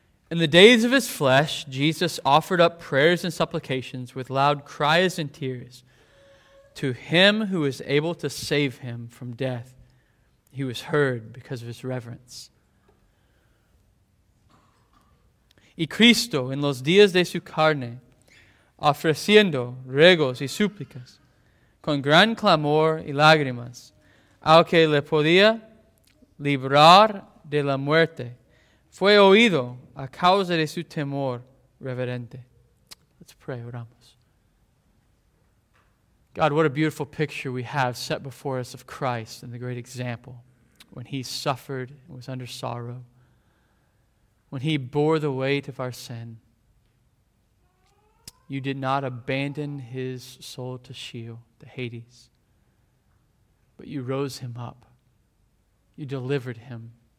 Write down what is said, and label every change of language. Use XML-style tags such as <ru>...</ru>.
<en>In the days of his flesh, Jesus offered up prayers and supplications with loud cries and tears to him who is able to save him from death. He was heard because of his reverence.</en> <es>Y Cristo, en los días de su carne, ofreciendo ruegos y súplicas, con gran clamor y lágrimas, al que le podía librar de la muerte, fue oído a causa de su temor reverente.</es> <en>Let's pray,</en> <es>oramos.</es> <en>God, what a beautiful picture we have set before us of Christ and the great example when he suffered and was under sorrow, when he bore the weight of our sin. You did not abandon his soul to Sheol, to Hades, but you rose him up. You delivered him.</en>